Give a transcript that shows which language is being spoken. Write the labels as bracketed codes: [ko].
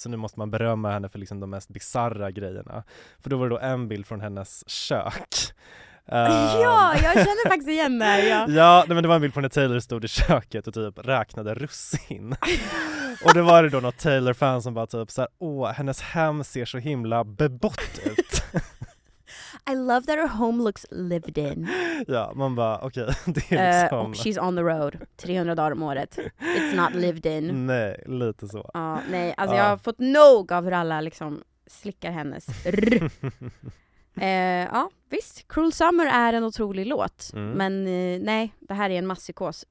[sv] Så nu måste man berömma henne för liksom de mest bizarra grejerna. För då var det då en bild från hennes kök. Ja, jag känner faktiskt igen det här, ja. Ja, nej, men det var en bild på när Taylor stod i köket och typ räknade russin. Och det var det då något Taylor-fan som bara typ så här, åh, hennes hem ser så himla bebott ut. [en] I love that her home looks lived in. [sv] Ja, man bara, okej, det är liksom... [en] She's on the road, 300 [sv] dagar om året. [en] It's not lived in. [sv] Nej, lite så. Ja, nej, alltså jag har fått nog av hur alla liksom slickar hennes rrr. Ja, visst, Cruel Summer är en otrolig låt. Mm. Men nej, det här är en masspsykos.